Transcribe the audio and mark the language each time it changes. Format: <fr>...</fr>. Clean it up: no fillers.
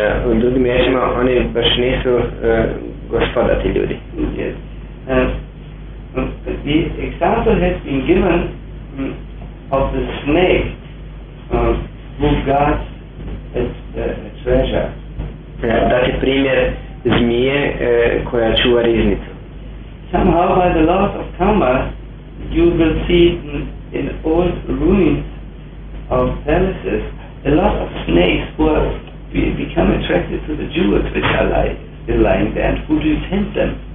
<hr>U drugim rječima, oni baš nisu gospoda ti ljudi.</hr> <en>Yes. The example has been given of the snake who guards a treasure.</en> <hr>Dati primjer zmije koja čuva riznicu.</hr> <en>Somehow by the laws of karma you will see in old ruins of palaces a lot of snakes who have become attracted to the jewels which are lying there and who do tempt them.</en>